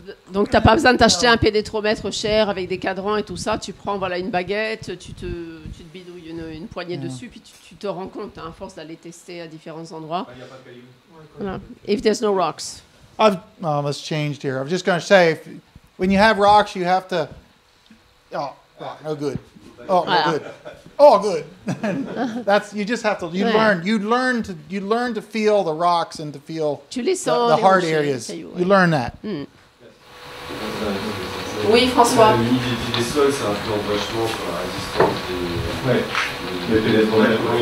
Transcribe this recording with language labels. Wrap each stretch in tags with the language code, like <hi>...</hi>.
<fr>Donc, tu n'as pas besoin de t'acheter un pénétromètre cher avec des cadrans et tout ça. Tu prends voilà, une baguette, tu te bidouilles une poignée dessus, puis tu te rends compte à force d'aller tester à différents endroits. Il n'y a pas de cailloux.</fr> <en>If there's no rocks. I've almost changed here. I was just going to say, if, when you have rocks, you have to... Oh, no good. Oh, no good. Oh, good. That's, you just have to, you learn. You learn to feel the rocks and to feel the hard areas. You learn that.</en> <fr>Mm. Oui, François. L'humidité des sols, c'est un peu embrochement sur la résistance des pénétromètres.</fr>